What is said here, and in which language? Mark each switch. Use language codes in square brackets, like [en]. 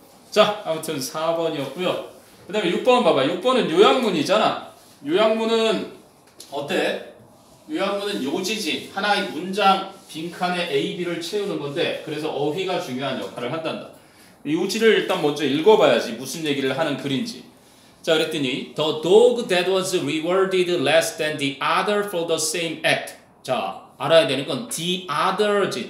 [ko] 자, 아무튼 4번이었고요. 그 다음에 6번 봐봐. 6번은 요약문이잖아. 요약문은 어때? 요약문은 요지지. 하나의 문장 빈칸에 A, B를 채우는 건데 그래서 어휘가 중요한 역할을 한단다. 요지를 일단 먼저 읽어봐야지 무슨 얘기를 하는 글인지. 자, 그랬더니 [en] The dog that was rewarded less than the other for the same act. [ko] 자, 알아야 되는 건 the other지.